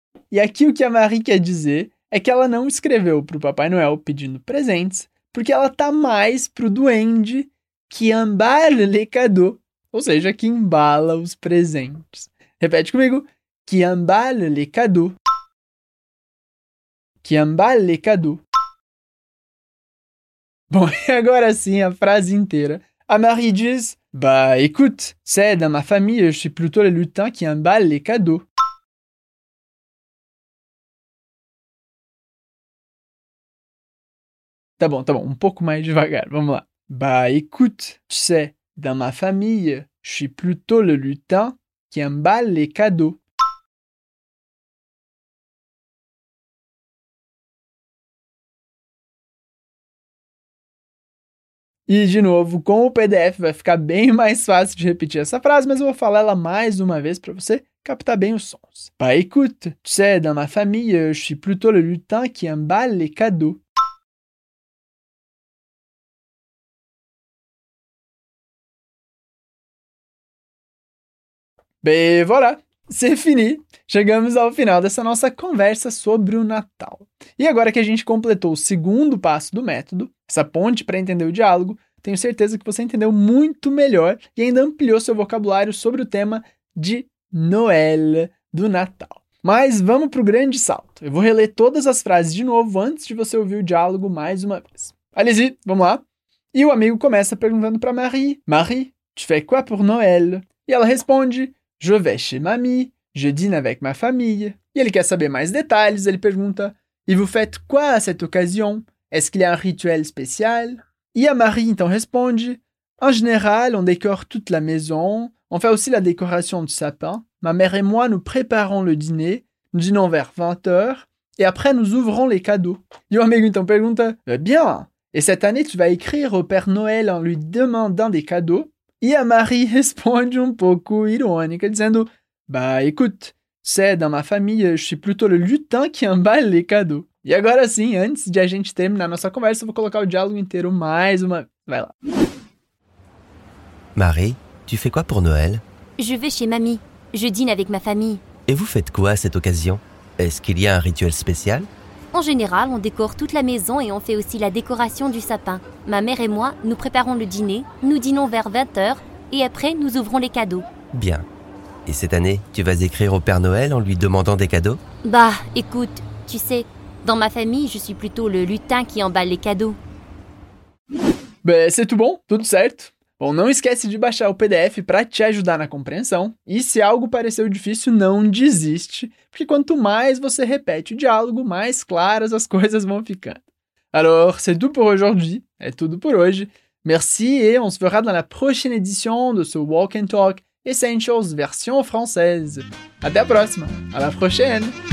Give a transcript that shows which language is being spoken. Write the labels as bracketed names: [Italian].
[Portuguese] E aqui o que a Marie quer dizer é que ela não escreveu pro Papai Noel pedindo presentes, porque ela tá mais pro duende que [French] emballe les cadeaux, [Portuguese] ou seja, que embala os presentes. Repete comigo. [French] Que emballe les cadeaux. Que emballe les cadeaux. [Portuguese] Bom, e agora sim, a frase inteira. A Marie diz, [French] bah, écoute, c'est dans ma famille, je suis plutôt le lutin qui emballe les cadeaux. [Portuguese] Tá bom, um pouco mais devagar, vamos lá. [French] Bah, écoute, tu sais, dans ma famille, je suis plutôt le lutin qui emballe les cadeaux. [Portuguese] E, de novo, com o PDF vai ficar bem mais fácil de repetir essa frase, mas eu vou falar ela mais uma vez para você captar bem os sons. [French] Bah, écoute, tu sais, dans ma famille, je suis plutôt le lutin qui emballe les cadeaux. [Portuguese] Bem, [French] voilà, c'est fini. [Portuguese] Chegamos ao final dessa nossa conversa sobre o Natal. E agora que a gente completou o segundo passo do método, essa ponte para entender o diálogo, tenho certeza que você entendeu muito melhor e ainda ampliou seu vocabulário sobre o tema de Noël, do Natal. Mas vamos para o grande salto. Eu vou reler todas as frases de novo antes de você ouvir o diálogo mais uma vez. [French] Allez-y, [Portuguese] vamos lá. E o amigo começa perguntando para Marie. [French] Marie, tu fais quoi pour Noël? [Portuguese] E ela responde, [French] je vais chez mamie, je dîne avec ma famille. [Portuguese] E ele quer saber mais detalhes, ele pergunta, [French] et vous faites quoi à cette occasion? Est-ce qu'il y a un rituel spécial? [Portuguese] E a Marie então responde, [French] en général, on décore toute la maison, on fait aussi la décoration du sapin, ma mère et moi nous préparons le dîner, nous dînons vers 20h, et après nous ouvrons les cadeaux. [Portuguese] E o amigo então pergunta, [French] bien, et cette année tu vas écrire au Père Noël en lui demandant des cadeaux? [Portuguese] E a Marie responde um pouco irônica, dizendo, [French] bah, écoute, c'est dans ma famille, je suis plutôt le lutin qui emballe les cadeaux. [Portuguese] E agora sim, antes de a gente terminar nossa conversa, eu vou colocar o diálogo inteiro mais uma vez. Vai lá. [French] Marie, tu fais quoi pour Noël? Je vais chez mamie. Je dîne avec ma famille. Et vous faites quoi à cette occasion? Est-ce qu'il y a un rituel spécial? En général, on décore toute la maison et on fait aussi la décoration du sapin. Ma mère et moi, nous préparons le dîner, nous dînons vers 20h et après, nous ouvrons les cadeaux. Bien. Et cette année, tu vas écrire au Père Noël en lui demandant des cadeaux? Bah, écoute, tu sais, dans ma famille, je suis plutôt le lutin qui emballe les cadeaux. Ben, c'est tout bon, [Portuguese] tudo certo. Bom, não esquece de baixar o PDF para te ajudar na compreensão. E se algo pareceu difícil, não desiste. Porque quanto mais você repete o diálogo, mais claras as coisas vão ficando. [French] Alors, c'est tout pour aujourd'hui. [Portuguese] É tudo por hoje. [French] Merci et on se verra dans la prochaine édition de ce Walk and Talk Essentials version française. À la prochaine!